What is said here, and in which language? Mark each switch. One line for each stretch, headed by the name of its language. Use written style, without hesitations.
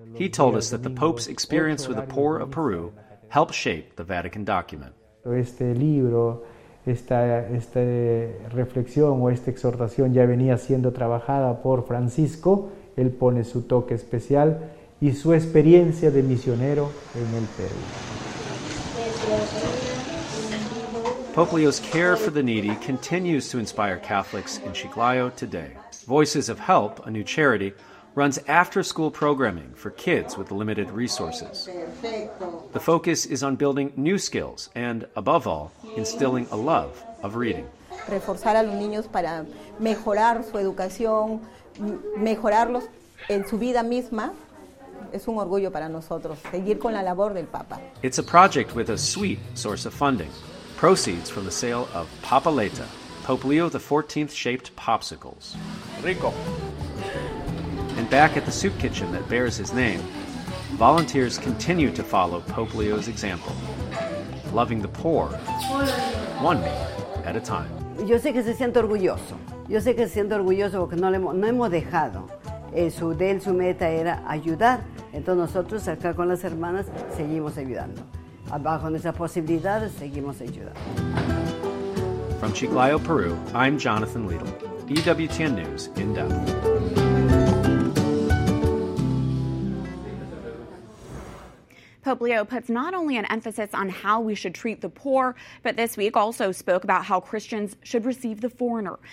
English: He told us that the Pope's experience with the poor of Peru helped shape the Vatican document.
Spanish: Este libro, esta reflexión o esta exhortación ya venía siendo trabajada por Francisco. Él pone su toque especial y su experiencia de misionero en el Perú.
English: Pope Leo's care for the needy continues to inspire Catholics in Chiclayo today. Voices of Help, a new charity, runs after-school programming for kids with limited resources. The focus is on building new skills and, above all, instilling a love of reading.
Spanish: Reforzar a los niños para mejorar su educación, mejorarlos en su vida misma. Es un orgullo para nosotros seguir con la labor del Papa.
English: It's a project with a sweet source of funding. Proceeds from the sale of Papaleta, Pope Leo XIV-shaped popsicles.
Spanish: Rico.
English: And back at the soup kitchen that bears his name, volunteers continue to follow Pope Leo's example, loving the poor, one meal at a time.
Spanish: Yo sé que se siente orgulloso. Yo sé que se siente orgulloso porque no hemos dejado. Su meta era ayudar. Entonces nosotros acá con las hermanas seguimos ayudando. Bajo nuestras posibilidades, seguimos ayudando.
English: From Chiclayo, Peru, I'm Jonathan Liddle, EWTN News in depth. Pope Leo puts not only an emphasis on how we should treat the poor, but this week also spoke about how Christians should receive the foreigner.